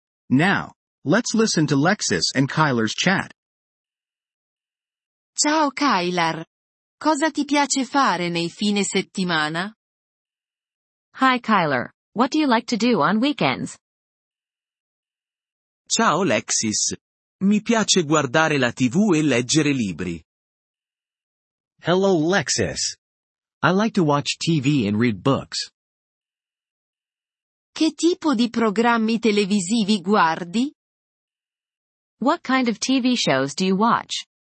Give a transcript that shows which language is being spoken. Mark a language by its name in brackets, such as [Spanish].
[English] Now, let's listen to Lexis and Kyler's chat. [Italian] Ciao Kyler. Cosa ti piace fare nei fine settimana? [English] Hi Kyler, what do you like to do on weekends? [Italian] Ciao Lexis, mi piace guardare la TV e leggere libri. [English] Hello Lexis, I like to watch TV and read books. [Italian] Che tipo di programmi televisivi guardi? [English] What kind of TV shows do you watch?